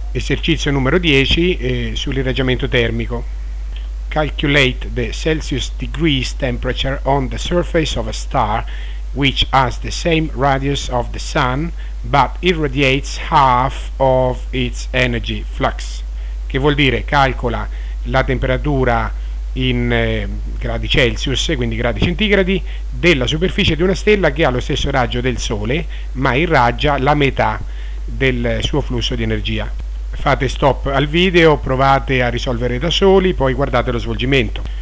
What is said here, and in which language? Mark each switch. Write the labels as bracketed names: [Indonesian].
[Italian] Esercizio numero 10 sull'irraggiamento termico. [English] Calculate the Celsius degrees temperature on the surface of a star which has the same radius of the Sun but irradiates half of its energy flux. [Italian] Che vuol dire? Calcola la temperatura in gradi Celsius, quindi gradi centigradi, della superficie di una stella che ha lo stesso raggio del Sole ma irraggia la metà del suo flusso di energia. Fate stop al video, provate a risolvere da soli, poi guardate lo svolgimento.